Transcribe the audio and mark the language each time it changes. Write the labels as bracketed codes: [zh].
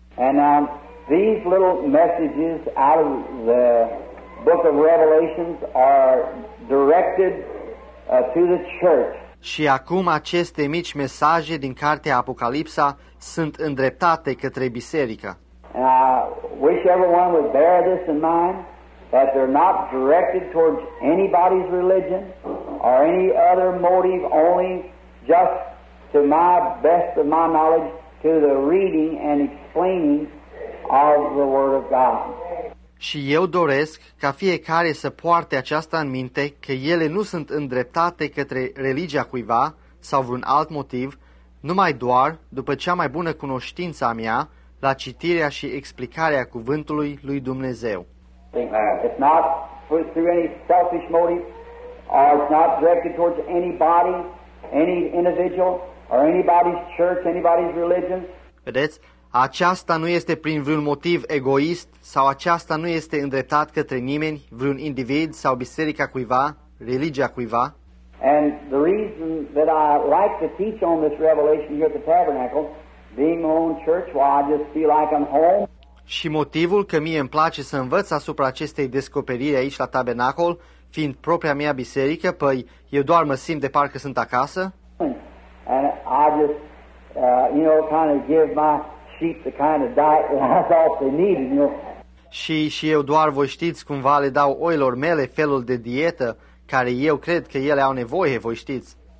[en] And these little messages out of the Book of Revelations are directed to the church. [ro] Și acum aceste mici mesaje din cartea Apocalipsa sunt îndreptate către biserică. [en] And I wish everyone would bear this in mind, that they're not directed towards anybody's religion or any other motive, only just to my best of my knowledge, to the reading and explaining of the Word of God. [ro] Și eu doresc ca fiecare să poarte aceasta în minte, că ele nu sunt îndreptate către religia cuiva sau vreun alt motiv, numai doar, după cea mai bună cunoștință a mea, la citirea și explicarea cuvântului lui Dumnezeu. [en] It's not through any selfish motive, or it's not directed towards anybody, any individual, or anybody's church, anybody's religion. [ro] Vedeți? Aceasta nu este prin vreun motiv egoist sau aceasta nu este îndreptat către nimeni, vreun individ sau biserica cuiva, religia cuiva. [en] And the reason that I like to teach on this revelation here at the tabernacle, being my own church, while I just feel like I'm home. [ro] Și motivul că mie îmi place să învăț asupra acestei descoperiri aici la tabernacol, fiind propria mea biserică, păi eu doar mă simt de parcă sunt acasă. [en] And I just, kind of give my sheep the kind of diet that I thought they needed, you know. [ro] Și eu doar, voi știți, cumva le dau oilor mele felul de dietă care eu cred că ele au nevoie, voi știți.